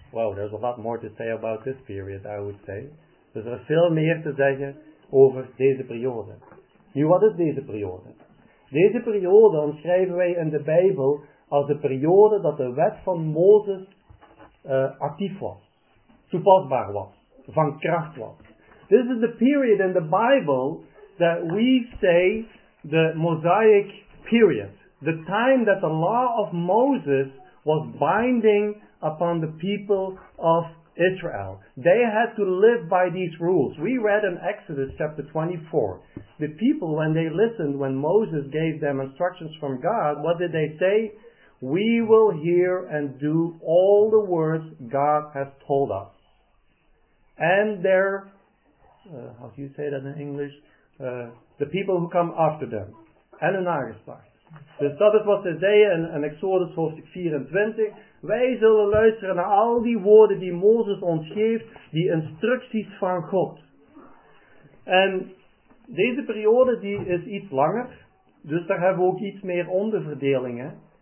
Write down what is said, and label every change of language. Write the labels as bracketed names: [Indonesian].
[English] Wow, there's a lot more to say about this period, I would say. [Dutch] Dus er is veel meer te zeggen over deze periode. Nu, wat is deze periode? Deze periode omschrijven wij in de Bijbel als de periode dat de wet van Mozes actief was, toepasbaar was, van kracht was. [English] This is the period in the Bible that we say the Mosaic period. The time that the law of Moses was binding upon the people of Israel. They had to live by these rules. We read in Exodus chapter 24. The people, when they listened, when Moses gave them instructions from God, what did they say? We will hear and do all the words God has told us. And their, how do you say that in English? The people who come after them. And an Ananias. [Dutch] Dus dat is wat ze zeiden in Exodus hoofdstuk 24. Wij zullen luisteren naar al die woorden die Mozes ons geeft, die instructies van God. En deze periode die is iets langer, dus daar hebben we ook iets meer onderverdelingen.